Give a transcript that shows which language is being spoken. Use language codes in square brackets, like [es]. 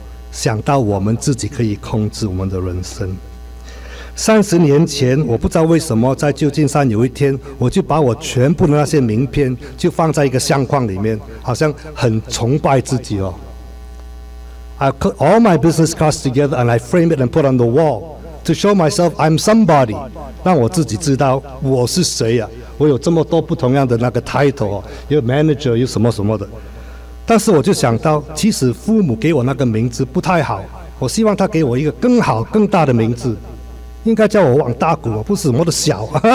[zh] 想到我们自己可以控制我们的人生。三十年前，我不知道为什么在旧金山有一天，我就把我全部的那些名片就放在一个相框里面，好像很崇拜自己哦。 [en] I put all my business cards together and I frame it and put on the wall to show myself I'm somebody. [zh] 让我自己知道我是谁啊。我有这么多不同样的那个 title， 有 manager， 有什么什么的。但是我就想到，其实父母给我那个名字不太好，我希望他给我一个更好更大的名字，应该叫我王大古，不是什么的小。